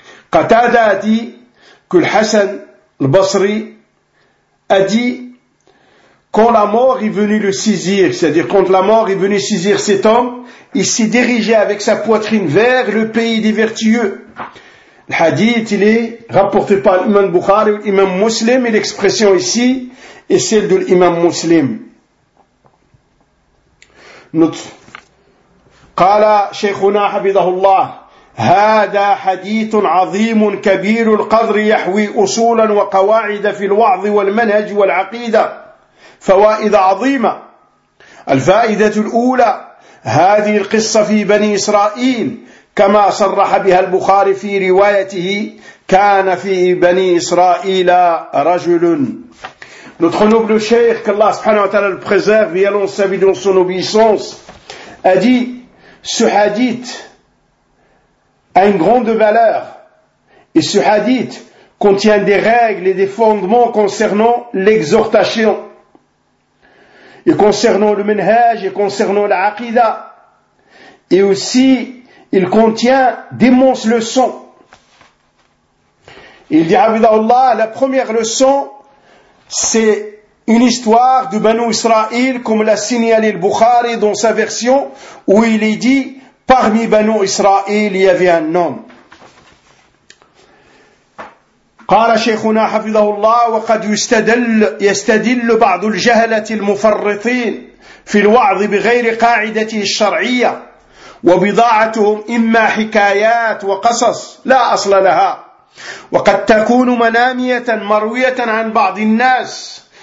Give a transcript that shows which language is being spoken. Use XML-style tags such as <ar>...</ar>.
<fr>Qatada a dit que Hassan al-Basri a dit quand la mort est venue le saisir, c'est-à-dire quand la mort est venue saisir cet homme, il s'est dirigé avec sa poitrine vers le pays des vertueux. Le hadith, il est rapporté par l'imam Bukhari, l'imam Muslim, et l'expression ici est celle de l'imam Muslim. Note.</fr> <ar>قال شيخنا حفظه الله هذا حديث عظيم كبير القدر يحوي أصولا وقواعد في الوعظ والمنهج والعقيدة فوائد عظيمة. الفائدة الأولى هذه القصة في بني إسرائيل كما صرح بها البخاري في روايته كان في بني إسرائيل رجل.</ar> <fr>Notre noble cheikh, qu'Allah subhanahu wa ta'ala le préserve et allons servir dans son obéissance, a dit: ce hadith a une grande valeur et ce hadith contient des règles et des fondements concernant l'exhortation et concernant le menhaj et concernant l'aqida, et aussi il contient d'immenses leçons. Il dit Abdallah, la première leçon c'est une histoire de Banu Israël, comme l'a signalé le Bukhari dans sa version, où il est dit, parmi Banu Israël, il y avait un homme.</fr> <ar>قال شيخنا حفظه الله وقد يستدل بعض الجهلة المفرطين في الوعظ بغير قاعدته الشرعية وبضاعتهم إما حكايات وقصص لا أصل لها وقد تكون منامية مروية عن بعض الناس</ar>